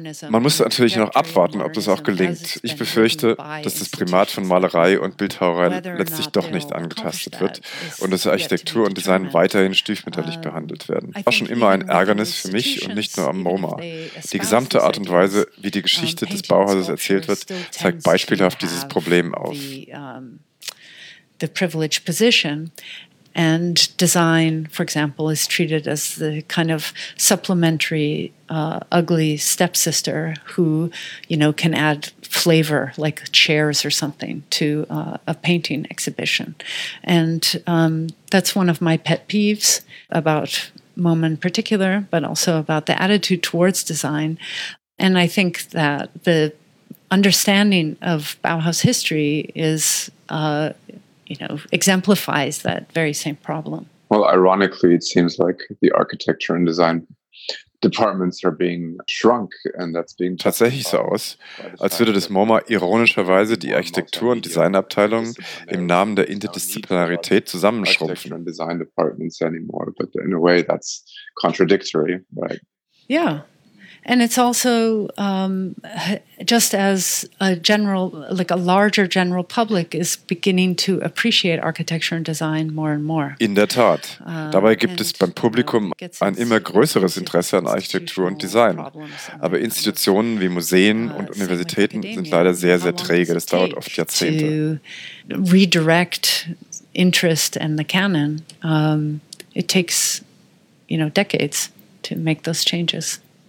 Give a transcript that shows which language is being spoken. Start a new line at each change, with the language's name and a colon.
German: Man muss natürlich noch abwarten, ob das auch gelingt. Ich befürchte, dass das Primat von Malerei und Bildhauerei letztlich doch nicht angetastet wird und dass Architektur und Design weiterhin stiefmütterlich behandelt werden. War schon immer ein Ärgernis für mich und nicht nur am MoMA. Die gesamte Art und Weise, wie die Geschichte des Bauhauses erzählt wird, zeigt beispielhaft dieses Problem auf.
English: The privileged position. And design, for example, is treated as the kind of supplementary, ugly stepsister who, you know, can add flavor, like chairs or something, to a painting exhibition. And that's one of my pet peeves about MoMA in particular, but also about the attitude towards design. And I think that the understanding of Bauhaus history is... exemplifies that very same problem. Well, ironically, it seems like the architecture and design departments are being shrunk, and that's being
German: tatsächlich so aus, als würde das MoMA ironischerweise die Architektur- und Designabteilungen im Namen der Interdisziplinarität zusammenschrumpfen.
English: And design departments anymore, but in a way that's contradictory, right? Yeah. And it's also just as a general, like a larger general public is beginning to appreciate architecture and design more and more.
German: In der Tat. Dabei gibt es beim Publikum ein immer größeres Interesse an Architektur und Design. Aber Institutionen wie Museen und Universitäten sind leider sehr, sehr träge. Das dauert oft Jahrzehnte.
English: To redirect interest and the canon, it takes, decades to make those changes.